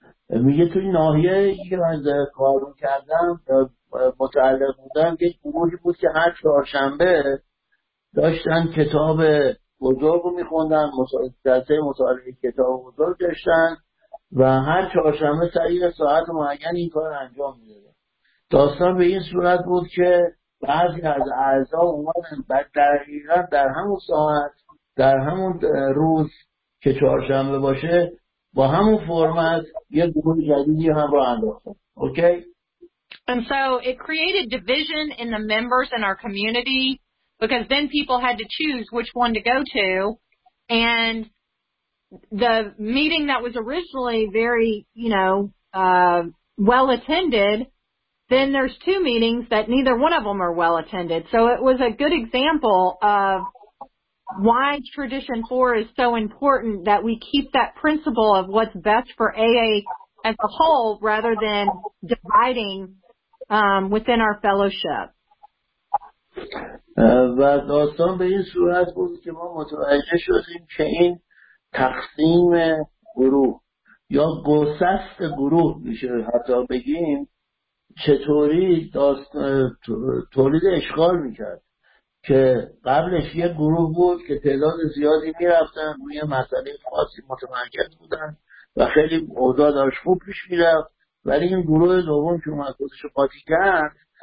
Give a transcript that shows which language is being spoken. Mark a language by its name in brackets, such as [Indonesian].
[Persian] میگه توی ناحیه که من کارون کردم متعلق بودم، یک گروهی بود که هر چهارشنبه داشتن کتاب بزرگ رو میخوندن، جلسه مطالعه کتاب بزرگ داشتن و هر چهارشنبه سریع ساعت معین این کار انجام میده. داستان به این صورت بود که بعضی از اعضا اومدن بعد دقیقاً در همون ساعت، در همون روز که چهارشنبه باشه، با همون فرمت یه گروه جدیدی هم راه انداختن. اوکی. [English] And so it created division in the members in our community, because then people had to choose which one to go to, and the meeting that was originally very, you know, well attended, then there's two meetings that neither one of them are well attended. So it was a good example of why Tradition 4 is so important, that we keep that principle of what's best for AA as a whole rather than dividing within our fellowship. [Persian] و داستان به این صورت بود که ما متوجه شدیم که این تقسیم گروه یا گسست گروه میشه حتی بگیم، چطوری تولید اشغال میکرد که قبلش یه گروه بود که تعداد زیادی میرفتن روی مسئله خاصی متمرکز بودن و خیلی اوضاع داشت خوب پیش میرفت، ولی این گروه دوم که اومد خودشو قاطی کرد،